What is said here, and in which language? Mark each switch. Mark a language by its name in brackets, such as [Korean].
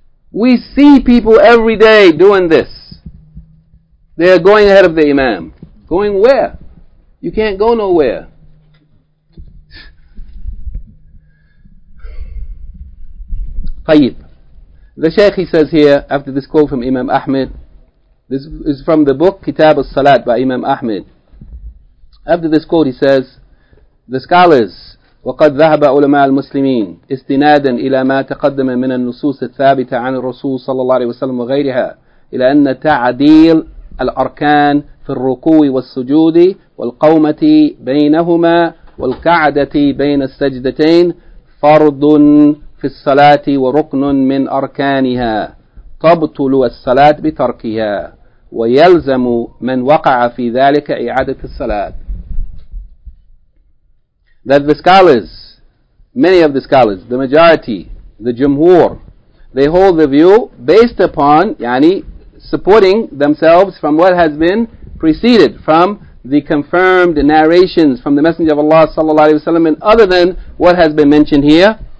[English] We see people every day doing this. They are going ahead of the imam. Going where? You can't go nowhere. Tayyib. The Shaykh, he says here, after this quote from Imam Ahmed, this is from the book Kitab al-Salat by Imam Ahmed. After this quote, he says, the scholars, [Arabic] وَقَدْ ذَهَبَ عُلَمَاءَ الْمُسْلِمِينَ إِسْتِنَادًا إِلَى مَا تَقَدَّمَ مِنَ النُّصُوصِ الثَّابِتَ عَنِ الرَّسُولِ صَلَّى اللَّهِ عَلَيْهِ وَسَلَّمَ وَغَيْرِهَا إِلَى أَنَّ تَعْدِيلَ الْأَرْكَانِ فِي الرُّكُوعِ وَالسُّجُودِ وَالْقَوْمَةِ بَيْنَهُمَا وَالْقَعْدَةِ بَيْنَ السَّجْدَتَيْنِ فَرْضٌ فِي الصَّلَاةِ وَرُكْنٌ مِنْ أَرْكَانِهَا تَبْطُلُ الصَّلَاةَ بِتَرْكِهَا وَيَلْزَمُ مَنْ وَقَعَ فِي ذَلِكَ إِعَادَةَ الصَّلَاةِ. [English] That the scholars, many of the scholars, the majority, the jumhur, they hold the view based upon, yani, supporting themselves from what has been preceded, from the confirmed narrations from the Messenger of Allah sallallahu alaihi wasallam, and other than what has been mentioned here,